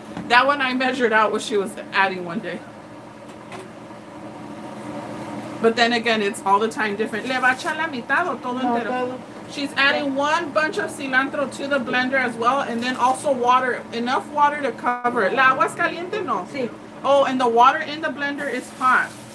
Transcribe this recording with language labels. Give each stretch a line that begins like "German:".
English: That one I measured out what she was adding one day. But then again, it's all the time different.
Spanish: Le va a echar la mitad o todo entero.
English: She's adding one bunch of cilantro to the blender as well, and then also water, enough water to cover it.
Spanish: La agua es caliente, no? Sí.
English: Oh, and the water in the blender is hot.